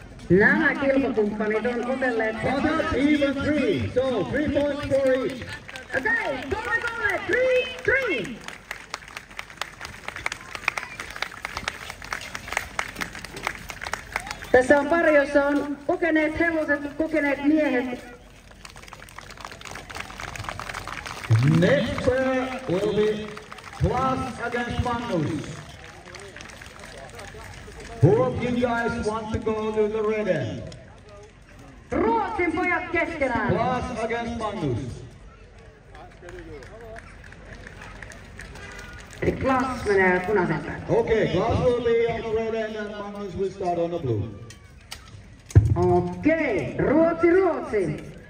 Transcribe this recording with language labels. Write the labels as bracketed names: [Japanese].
[Finnish] Nämä kilpakumppanit on otelleet... [English] But that's even three, so 3 points for each. Okay, go, 3. [Finnish] Tässä on pari, jossa on kokeneet hevoset, kokeneet miehet. [English] Next pair will be Klaas against Magnus. Who of you guys want to go to the red end? [Finnish] Ruotsin pojat keskenään! [English] Klaas against Magnus. [Finnish] Eli Klaas menee punaisen päin. [English] Okay, Klaas will be on the red end and Magnus will start on the blue. [Finnish] Okay, Ruotsi!